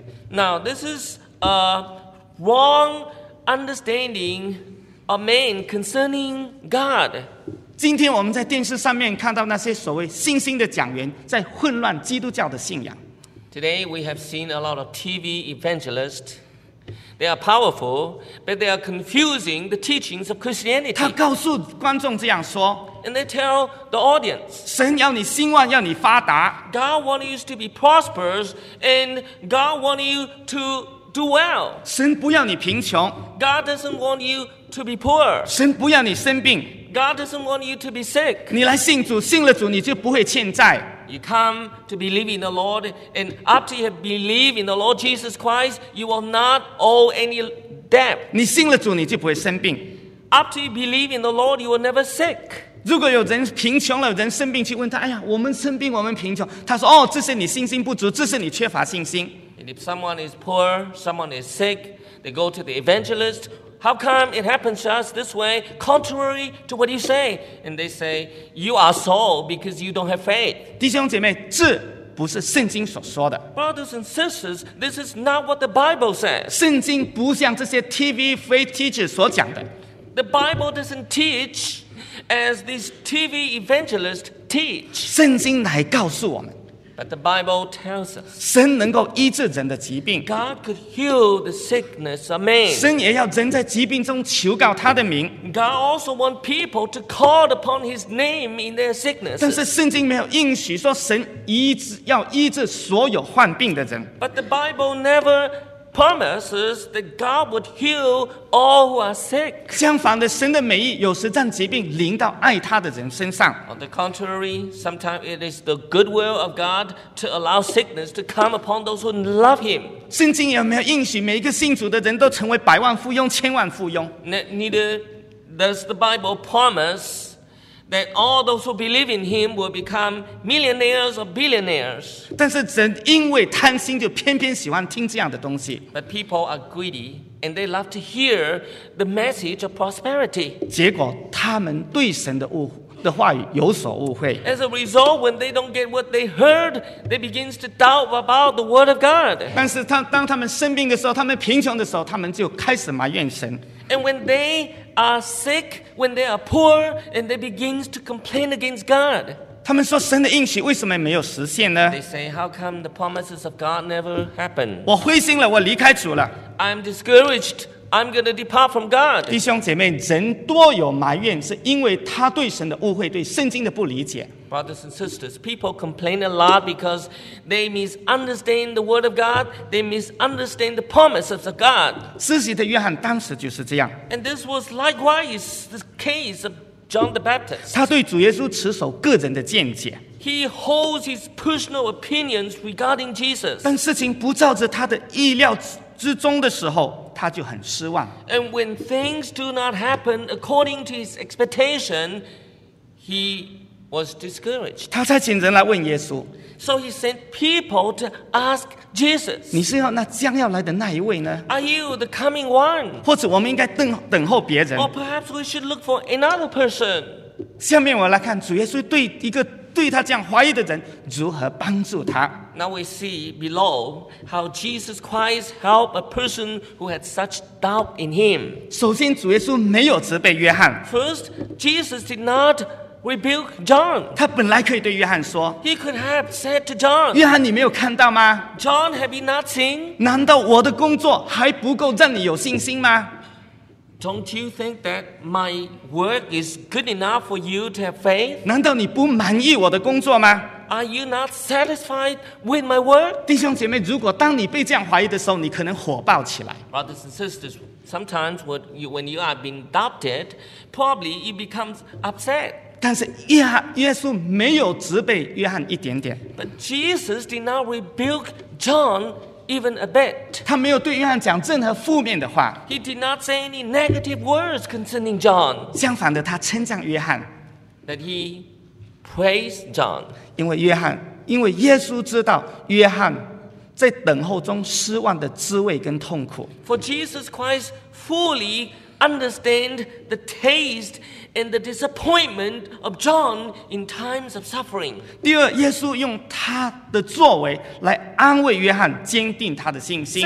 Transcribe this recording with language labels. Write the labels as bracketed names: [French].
[English] Now, this is a wrong understanding of man concerning God. [Chinese] 今天我们在电视上面看到那些所谓新兴的讲员在混乱基督教的信仰。 [English] Today, we have seen a lot of TV evangelists. They are powerful, but they are confusing the teachings of Christianity. [Chinese] 他告诉观众这样说。 [English] And they tell the audience, [Chinese] 神要你兴旺，要你发达。 [English] God wants you to be prosperous, and God wants you to do well. [Chinese] 神不要你贫穷。 [English] God doesn't want you to be poor. [Chinese] 神不要你生病。 [English] God doesn't want you to be sick. [Chinese] 你来信主，信了主，你就不会欠债。 [English] You come to believe in the Lord, and after you have believed in the Lord Jesus Christ, you will not owe any debt. [Chinese] 你信了主，你就不会生病。 [English] After you believe in the Lord, you will never sick. [Chinese] 如果有人贫穷了，人生病去问他，哎呀，我们生病，我们贫穷。他说，哦，这是你信心不足，这是你缺乏信心。 [English] And if someone is poor, someone is sick, they go to the evangelist. How come it happens to us this way, contrary to what you say? And they say, you are so because you don't have faith. [Chinese] 弟兄姐妹，这不是圣经所说的。 [English] Brothers and sisters, this is not what the Bible says. [Chinese] 圣经不像这些 [English] TV faith teachers [Chinese] 所讲的。 [English] The Bible doesn't teach. As these TV evangelists teach, [Chinese] 圣经来告诉我们 [English] ，But the Bible tells us, [Chinese] 神能够医治人的疾病 [English] ，God could heal the sickness of man. [Chinese] 神也要人在疾病中求告他的名 [English] ，God also want people to call upon His name in their sickness. [Chinese] 但是圣经没有应许说神医治要医治所有患病的人 [English] ，But the Bible never promises that God would heal all who are sick. [Chinese] 相反的，神的美意有时让疾病临到爱他的人身上。 [English] On the contrary, sometimes it is the goodwill of God to allow sickness to come upon those who love Him. [Chinese] 圣经有没有应许每一个信主的人都成为百万富翁、千万富翁？ [English] Neither does the Bible promise that all those who believe in Him will become millionaires or billionaires. [Chinese] 但是人因为贪心，就偏偏喜欢听这样的东西。 [English] But people are greedy and they love to hear the message of prosperity. [Chinese] 结果他们对神的话语有所误会。 [English] As a result, when they don't get what they heard, they begin to doubt about the word of God. [Chinese] 但是当他们生病的时候，他们贫穷的时候，他们就开始埋怨神。 [English] And when they are sick, when they are poor, and they begin to complain against God. [Chinese] 他们说神的应许为什么没有实现呢？ [English] They say, how come the promises of God never happen? [Chinese] 我灰心了，我离开主了。 [English] I'm discouraged. I'm going to depart from God. [Chinese] 弟兄姐妹，人多有埋怨，是因为他对神的误会，对圣经的不理解。 [English] Brothers and sisters, people complain a lot because they misunderstand the word of God. They misunderstand the promises of God. [Chinese] 施洗的约翰当时就是这样。 [English] And this was likewise the case of John the Baptist. [Chinese] 他对主耶稣持守个人的见解。 [English] He holds his personal opinions regarding Jesus. [Chinese] 但事情不照着他的意料之中的时候，他就很失望。 [English] And when things do not happen according to his expectation, he was discouraged. [Chinese] 他才请人来问耶稣。 [English] So he sent people to ask Jesus. [Chinese] 你是要那将要来的那一位呢？ [English] Are you the coming one? [Chinese] 或者我们应该等候别人？ [English] Or perhaps we should look for another person. [Chinese] 下面我来看主耶稣对一个对他这样怀疑的人如何帮助他。 [English] Now we see below how Jesus Christ helped a person who had such doubt in him. [Chinese] 首先，主耶稣没有责备约翰。 [English] First, Jesus did not rebuke John. [Chinese] 他本来可以对约翰说。 [English] He could have said to John. [Chinese] 约翰，你没有看到吗 [English] ？John, have you not seen? [Chinese] 难道我的工作还不够让你有信心吗 [English] ？Don't you think that my work is good enough for you to have faith? [Chinese] 难道你不满意我的工作吗 [English] ？Are you not satisfied with my work? [Chinese] 弟兄姐妹，如果当你被这样怀疑的时候，你可能火爆起来。 [English] Brothers and sisters, sometimes when you are being doubted, probably you become upset. [Chinese] 但是耶稣没有责备约翰一点点。 [English] But Jesus did not rebuke John even a bit. [Chinese] 他没有对约翰讲任何负面的话。 [English] He did not say any negative words concerning John. [Chinese] 相反的，他称赞约翰。 [English] That he praised John. [Chinese] 因为耶稣知道约翰在等候中失望的滋味跟痛苦。 [English] For Jesus Christ fully understand the taste. And the disappointment of John in times of suffering. [Chinese] 第二，耶稣用他的作为来安慰约翰，坚定他的信心。